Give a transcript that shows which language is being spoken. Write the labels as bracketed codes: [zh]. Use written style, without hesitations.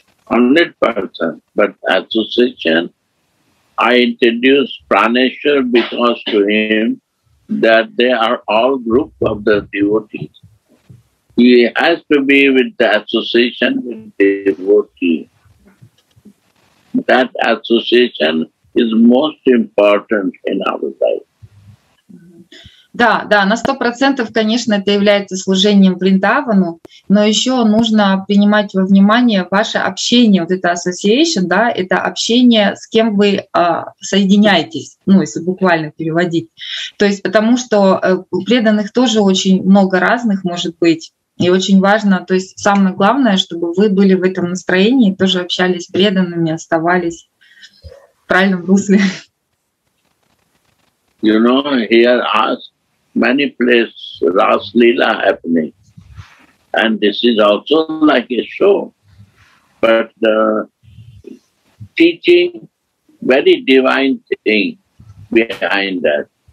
[en] 100%, but association, I introduce Praneshwar because to him that they are all group of the devotees. He has to be with the association with the devotee. That association is most important in our life. [ru] Да, да, на 100%, конечно, это является служением Вриндавану, но еще нужно принимать во внимание ваше общение, вот это association, да, это общение, с кем вы соединяетесь, ну, если буквально переводить. То есть потому что преданных тоже очень много разных может быть, и очень важно, то есть самое главное, чтобы вы были в этом настроении, тоже общались преданными, оставались в правильном русле. [en] You know, he asked many places Ras Leela happening, and this is also like a show, but teaching very divine thing behind that.